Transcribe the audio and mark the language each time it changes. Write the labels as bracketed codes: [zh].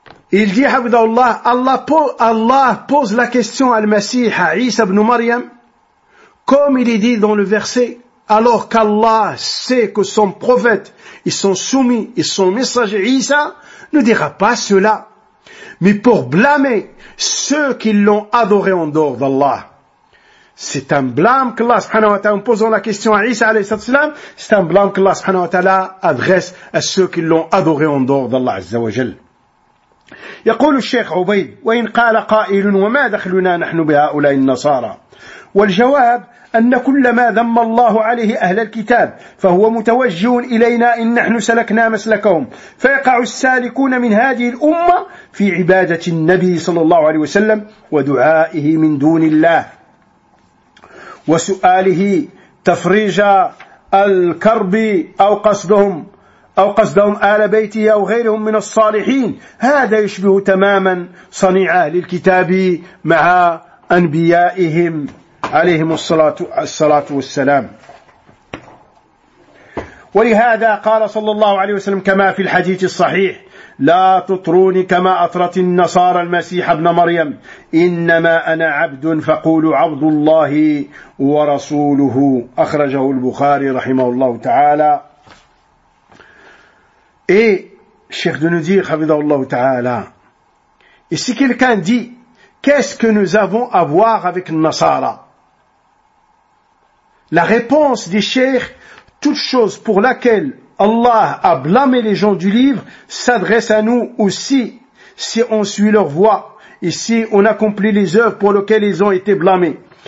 [fr] Il dit, Abdallah, Allah pose la question à Al-Masih, à Isa ibn Maryam, comme il est dit dans le verset, alors qu'Allah sait que son prophète, ils sont soumis, ils sont messagers, Isa ne dira pas cela, mais pour blâmer ceux qui l'ont adoré en dehors d'Allah. C'est un blâme qu'Allah subhanahu wa ta'ala, en posant la question à Isa alayhi salatu salam, c'est un blâme qu'Allah subhanahu wa ta'ala adresse à ceux qui l'ont adoré en dehors d'Allah azza wa jal. [ar] يقول الشيخ عبيد وإن قال قائل وما دخلنا نحن بهؤلاء النصارى، والجواب أن كل ما ذم الله عليه أهل الكتاب فهو متوجه إلينا إن نحن سلكنا مسلكهم، فيقع السالكون من هذه الأمة في عبادة النبي صلى الله عليه وسلم ودعائه من دون الله وسؤاله تفريج الكرب أو قصدهم أو قصدهم آل بيته أو غيرهم من الصالحين، هذا يشبه تماما صنيع أهل الكتاب مع أنبيائهم عليهم الصلاة والسلام. ولهذا قال صلى الله عليه وسلم كما في الحديث الصحيح: لا تطروني كما أطرت النصارى المسيح ابن مريم، إنما أنا عبد فقولوا عبد الله ورسوله. أخرجه البخاري رحمه الله تعالى. [fr] Et Cheikh de nous dire, Habibullah Ta'ala, et si quelqu'un dit, qu'est-ce que nous avons à voir avec Nasara? La réponse des Cheikh, toute chose pour laquelle Allah a blâmé les gens du livre, s'adresse à nous aussi, si on suit leur voie, et si on accomplit les œuvres pour lesquelles ils ont été blâmés.